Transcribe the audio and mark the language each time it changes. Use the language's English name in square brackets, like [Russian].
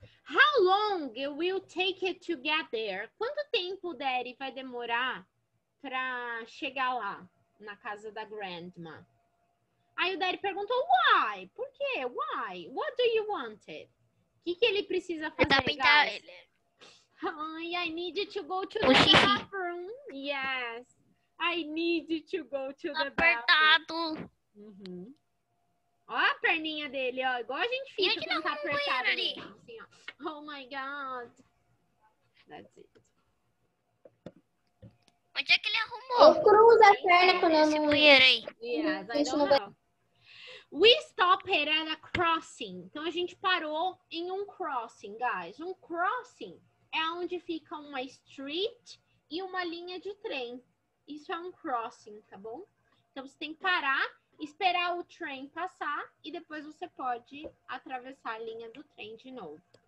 [English] How long will take it to get there? [Portuguese] Quanto tempo, Daddy, vai demorar pra chegar lá, na casa da grandma? Aí o Daddy perguntou, [English] why? [Portuguese] Por quê? [English] Why? What do you want it? [Portuguese] O que, que ele precisa fazer, guys? Ele. [English] I need you to go to the bathroom. Yes. I need you to go to the [Portuguese] apertado. Bathroom. Olha a perninha dele, ó. Igual a gente fica quando tá apertado. Ali. Assim, ó. [English] Oh my God. That's it. [Portuguese] Onde é que ele arrumou? Eu cruzo a perna quando eu não... Banheiro aí. [English] Yes, I don't know. We stopped at a crossing. [Portuguese] Então, a gente parou em um crossing, guys. Um crossing é onde fica uma street e uma linha de trem. Isso é um crossing, tá bom? Então, você tem que parar, esperar o trem passar e depois você pode atravessar a linha do trem de novo.